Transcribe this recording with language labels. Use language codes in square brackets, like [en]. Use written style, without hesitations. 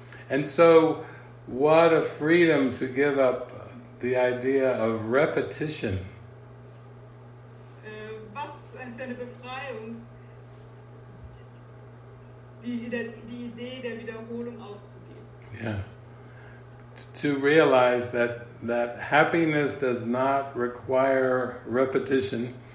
[en] And so what a freedom to give up the idea of repetition. [de] Was für eine Befreiung, die Idee der Wiederholung aufzugeben. Yeah. [en] To realize that happiness does not require repetition.